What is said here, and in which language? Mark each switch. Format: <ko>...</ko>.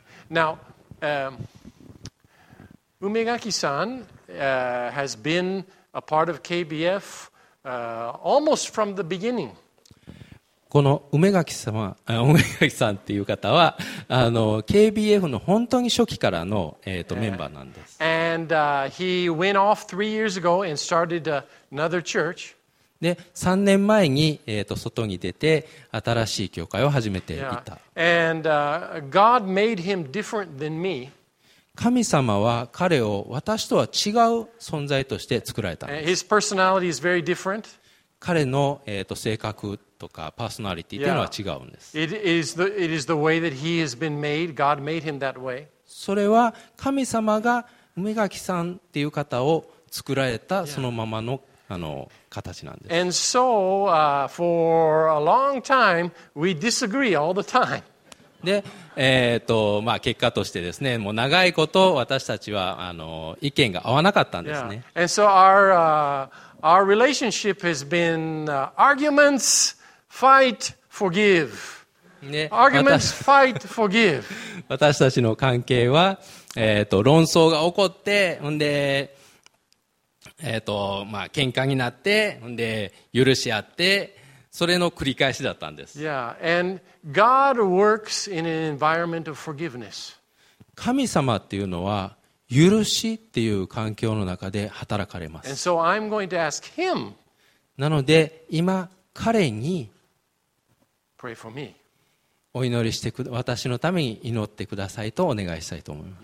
<en>Now, Umegaki-san has been a part of KBF almost from the beginning.</en> <ja>この梅垣さんっていう方はKBF の本当に初期からの、メンバーなんです。</ja> <en>And, he went off 3 years ago and started another church.</en> <ja>で3年前に、外に出て新しい教会を始めていた。</ja> <en>And, God made him different than me.</en> <ja>神様は彼を私とは違う存在として作られたんです。</ja> <en>His personality is very different.</en> <ja>彼の、性格とかパーソナリティというのは違うんです。</ja> <en>It is the way that he has been made. God made him that way.</en> <ja>それは神様が梅垣さんっていう方を作られたそのままの、形なんです。</ja> <en>And so, for a long time, we disagree all the time.</en> <ja>で、まあ結果としてですね、もう長いこと私たちは意見が合わなかったんですね。</ja> <en>Yeah. And so our relationship has been arguments. Fight, forgive. Arguments, fight, forgive.</en> <ja>私たちの関係は、論争が起こって、ほんで、まあ、喧嘩になって、ほんで、許し合って、それの繰り返しだったんです。</ja> <en>Yeah. And God works in an environment of forgiveness.</en> <ja>神様っていうのは、許しっていう環境の中で働かれます。</ja> <en>And so I'm going to ask him.</en> <ja>なので、今、彼に、</ja> <en>Pray for me.</en> <ja>お祈りしてく私のために祈ってくださいとお願いしたいと思います。</ja>